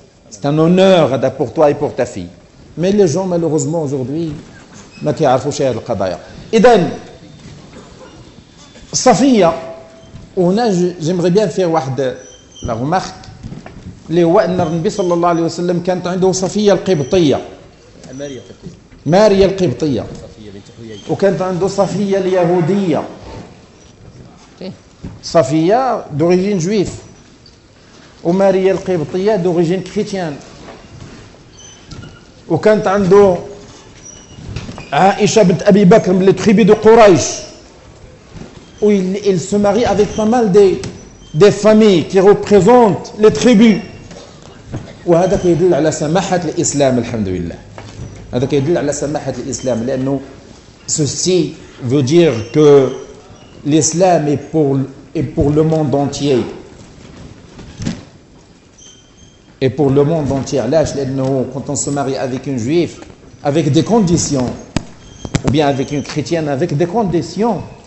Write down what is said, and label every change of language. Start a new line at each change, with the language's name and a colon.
French: C'est un honneur pour toi et pour ta fille. Mais les gens, malheureusement, aujourd'hui, ne savent pas ce qu'est le qadaya. Eden, Safiya, j'aimerais bien faire la remarque. Le roi
Arabic: Nabi sallallahu alayhi wa sallam كانت عنده صفية القبطية. ماريا القبطية. وكانت عنده صفية اليهودية.
French: صفية d'origine juif.
Arabic: وماريا القبطية
French: d'origine chrétienne.
Arabic: وكانت عنده عائشة بنت أبي بكر من التريبي دو قريش.
French: Où il se marie avec pas mal des familles qui représentent les tribus.
Arabic: Ou هذا كيدل على سماحة الإسلام الحمد لله. هذا كيدل على سماحة الإسلام لأنه
French: ceci veut dire que l'islam est pour le monde entier. Et pour le monde entier.
Arabic: لأنه
French: quand on se marie avec une juive avec des conditions ou bien avec une chrétienne avec des conditions.